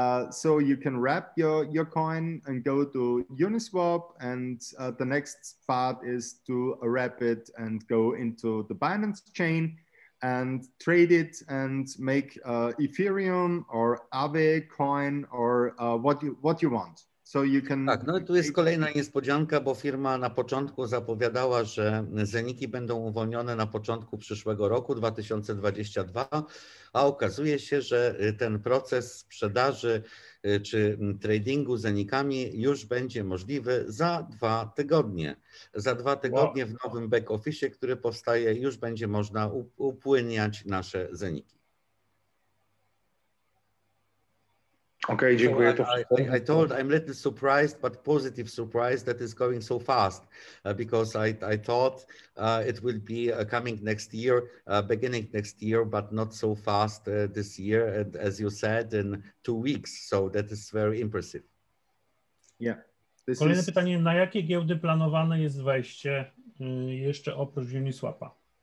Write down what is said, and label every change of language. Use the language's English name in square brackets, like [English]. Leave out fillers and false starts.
[English] So you can wrap your coin and go to Uniswap, and the next part is to wrap it and go into the Binance chain and trade it and make Ethereum or Aave coin or what you want. So you can... [Polish] Tak, no tu jest kolejna niespodzianka, bo firma na początku zapowiadała, że zeniki będą uwolnione na początku przyszłego roku, 2022, a okazuje się, że ten proces sprzedaży czy tradingu zenikami już będzie możliwy za 2 tygodnie. Za 2 tygodnie w nowym back office, który powstaje, już będzie można upłyniać nasze zeniki. [English] Okay, so I'm a little surprised, but positive surprise that is going so fast, because I thought it will be coming next year, beginning next year, but not so fast this year, and as you said, in 2 weeks. So that is very impressive. Yeah. [Polish] Kolejne pytanie, na jakie giełdy planowane jest wejście jeszcze oprócz Uniswapa?